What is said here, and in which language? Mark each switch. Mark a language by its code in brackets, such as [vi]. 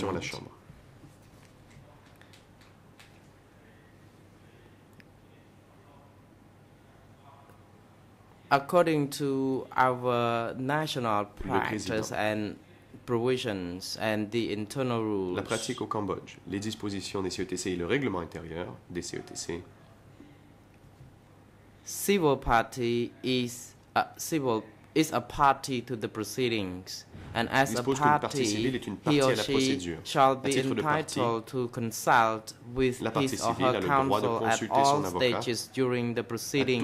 [fr] Question à la chambre. [en] According to our national practice and provisions and the internal rules, [fr] la pratique au Cambodge, les dispositions des CETC et le règlement intérieur des CETC, [en] civil party is a party to the proceedings, and as a party, he or she shall be entitled to consult with his or her counsel at all stages during the proceedings.